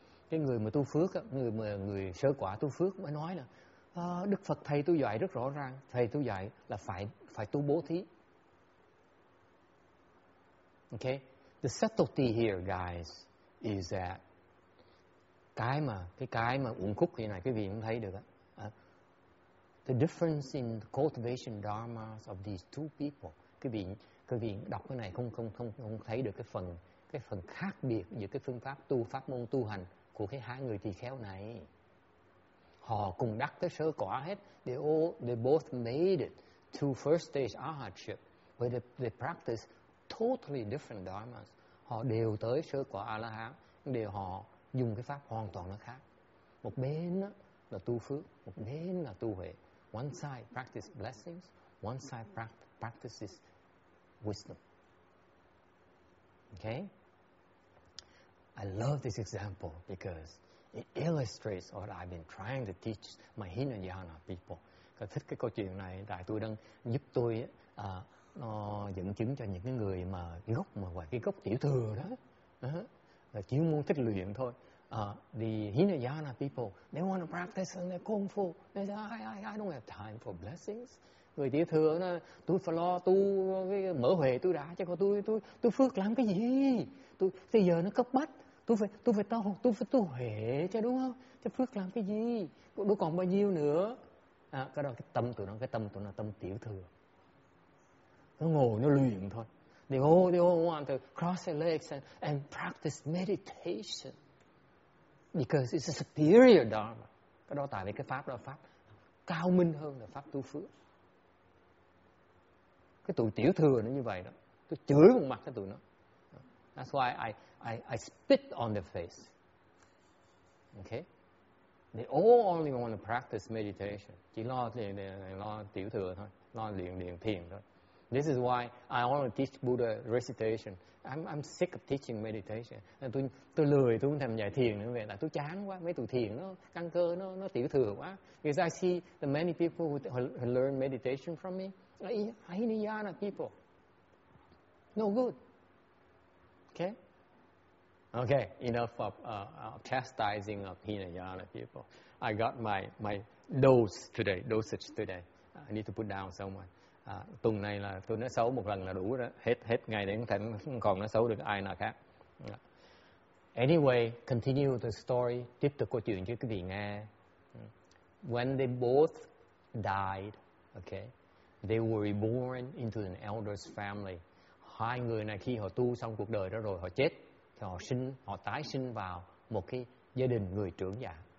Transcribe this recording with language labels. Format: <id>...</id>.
<vi>cái người mà tu phước á, người mà người sơ quả tu phước mới nói là Đức Phật thầy tu dạy rất rõ ràng, thầy tu dạy là phải tu bố thí.</vi> <en>Okay, the subtlety here, guys, is that</en> <vi>cái mà uẩn khúc như này, quý vị cũng thấy được á.</vi> <en>The difference in the cultivation dharmas of these two people.</en> <vi>Quý vị đọc cái này không thấy được cái phần khác biệt giữa cái phương pháp tu, pháp môn tu hành của cái hai người tỳ kheo này. Họ cùng đắc tới sơ quả hết.</vi> <en>They both made it to first stage arhatship, where they practice totally different dharmas.</en> <vi>Họ đều tới sơ quả A-la-hán, đều họ dùng cái pháp hoàn toàn nó khác. Một bên là tu phước, một bên là tu huệ.</vi> <en>One side practice blessings, one side practices wisdom. Okay? I love this example because it illustrates what I've been trying to teach my Hinayana people.</en> <vi>Tôi thích cái câu chuyện này tại tôi đang giúp tôi dẫn chứng cho những cái người mà gốc mà ngoài cái gốc tiểu thừa đó. Là chỉ muốn thích luyện thôi.</vi> <en>The Hinayana people, they want to practice and they're kung fu. They say, I don't have time for blessings.</en> <vi>Người tiểu thừa nó, tôi phải lo tu mở huệ tôi đã, chứ còn tôi phước làm cái gì? Tôi bây giờ nó cấp bách, tôi phải tu huệ chứ, đúng không? Chứ phước làm cái gì? Tôi còn bao nhiêu nữa? Cái tâm tụi nó tâm tiểu thừa. Nó ngồi nó luyện thôi.</vi> <en>They all want to cross their legs and practice meditation. Because it's a superior dharma.</en> <vi>Cái đó tại vì cái pháp đó là pháp cao minh hơn là pháp tu phước. Cái tụi tiểu thừa nó như vậy đó. Tôi chửi một mặt cái tụi nó.</vi> <en>That's why I spit on their face. Okay? They all only want to practice meditation.</en> <vi>Chỉ lo thiền, lo tiểu thừa thôi. Lo liền thiền thôi.</vi> <en>This is why I want to teach Buddha recitation. I'm sick of teaching meditation.</en> <vi>Tôi lười, tôi không thèm dạy thiền nữa, là tôi chán quá, mấy tụi thiền nó căng cơ, nó tiểu thừa quá.</vi> <en>Because I see the many people who learn meditation from me, Hinayana people, no good. Okay, enough of chastising of Hinayana people. I got my dosage today. I need to put down someone.</en> <vi>Tuần này là tôi nói xấu một lần là đủ đó, hết ngày để không còn nói xấu được ai nào khác.</vi> <en>Anyway, continue the story,</en> <vi>tiếp tục câu chuyện cho quý vị nghe.</vi> <en>When they both died, okay, they were reborn into an elder's family.</en> <vi>Hai người này khi họ tu xong cuộc đời đó rồi họ chết, thì họ tái sinh vào một cái gia đình người trưởng giả.</vi>